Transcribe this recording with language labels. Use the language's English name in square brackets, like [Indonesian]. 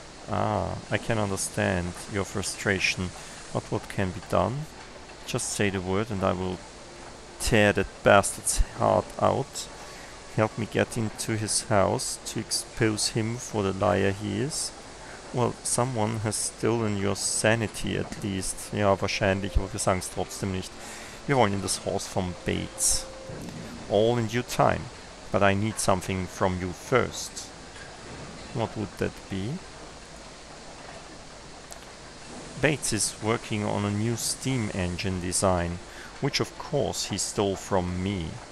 [English] Ah, I can understand your frustration, but what can be done? Just say the word and I will tear that bastard's heart out. Help me get into his house to expose him for the liar he is. Well, someone has stolen your sanity at least. [German] Ja, wahrscheinlich, aber wir sagen es trotzdem nicht. Wir wollen in das Haus von Bates. [English] All in due time, but I need something from you first. What would that be? Bates is working on a new steam engine design, which of course he stole from me.